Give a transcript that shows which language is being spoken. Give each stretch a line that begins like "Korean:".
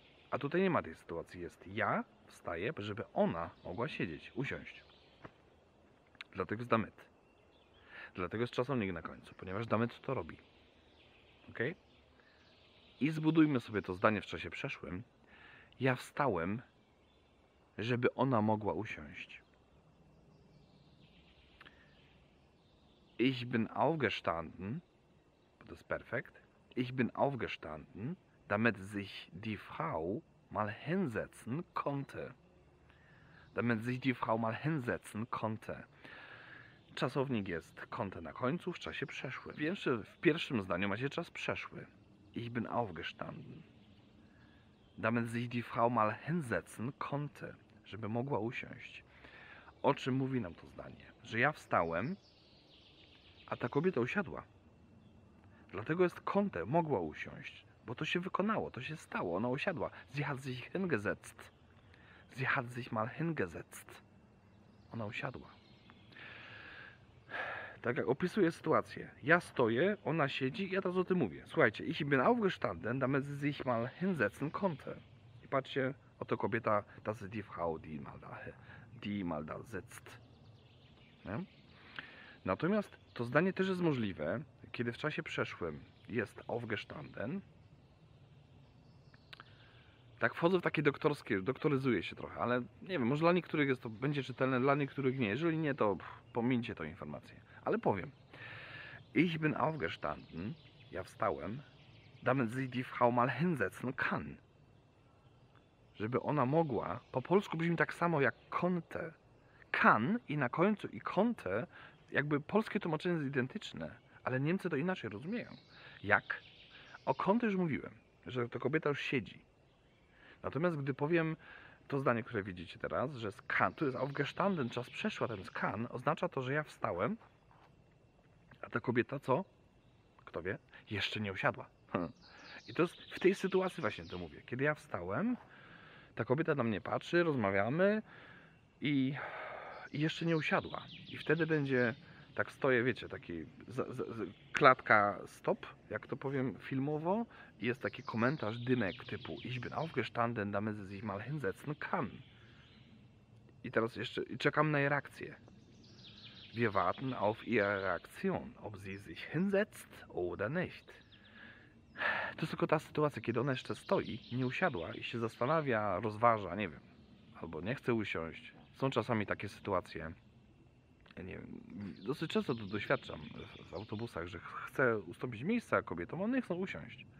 Polish: A tutaj nie ma tej sytuacji. Jest ja wstaję, żeby ona mogła siedzieć, usiąść. Dlatego jest damit. Dlatego jest czasownik na końcu, ponieważ damit to robi. Ok? I zbudujmy sobie to zdanie w czasie przeszłym. Ja wstałem, żeby ona mogła usiąść.
German: Ich bin aufgestanden,
Polish: bo to jest perfekt.
German: Ich bin aufgestanden, damit sich die Frau mal hinsetzen konnte. Damit sich die Frau mal hinsetzen konnte.
Polish: Czasownik jest konnte na końcu w czasie przeszłym. W pierwszym zdaniu macie czas przeszły.
German: Ich bin aufgestanden. Damit sich die Frau mal hinsetzen konnte.
Polish: Żeby mogła usiąść. O czym mówi nam to zdanie? Że ja wstałem, a ta kobieta usiadła. Dlatego jest konnte, mogła usiąść. Bo to się wykonało, to się stało, ona usiadła.
German: Sie hat sich hingesetzt. Sie hat sich mal hingesetzt.
Polish: Ona usiadła. Tak jak opisuję sytuację. Ja stoję, ona siedzi i ja teraz o tym mówię. Słuchajcie,
German: ich bin aufgestanden, damit sie sich mal hinsetzen konnte.
Polish: I patrzcie, oto kobieta,
German: das ist die Frau, die mal da sitzt.
Polish: Nie? Natomiast to zdanie też jest możliwe, kiedy w czasie przeszłym jest aufgestanden. Tak wchodzę w takie doktorskie, doktoryzuję się trochę, ale nie wiem, może dla niektórych jest to będzie czytelne, dla niektórych nie. Jeżeli nie, to pomińcie tą informację. Ale powiem.
German: Ich bin aufgestanden,
Polish: ja wstałem,
German: damit sie die Frau mal hinsetzen kann.
Polish: Żeby ona mogła, po polsku brzmi tak samo jak konnte. Kann i na końcu i konnte, jakby polskie tłumaczenie jest identyczne, ale Niemcy to inaczej rozumieją. Jak? O konnte już mówiłem, że to kobieta już siedzi. Natomiast gdy powiem to zdanie, które widzicie teraz, że jest kann, tu jest aufgestanden, czas przeszła, ten jest kann, oznacza to, że ja wstałem, a ta kobieta co? Kto wie? Jeszcze nie usiadła. I to jest w tej sytuacji właśnie to mówię. Kiedy ja wstałem, ta kobieta na mnie patrzy, rozmawiamy i jeszcze nie usiadła. I wtedy będzie, tak stoję, wiecie, taki klatka stop, jak to powiem filmowo, i jest taki komentarz, dymek typu
German: Ich bin aufgestanden, damit sie sich mal hinsetzen kann.
Polish: I teraz jeszcze czekam na jej reakcję.
German: Wir warten auf ihre Reaktion, ob sie sich hinsetzt oder nicht.
Polish: To jest tylko ta sytuacja, kiedy ona jeszcze stoi, nie usiadła i się zastanawia, rozważa, nie wiem, albo nie chce usiąść. Są czasami takie sytuacje, nie wiem, dosyć często to doświadczam w autobusach, że chcę ustąpić miejsca kobietom, one nie chcą usiąść.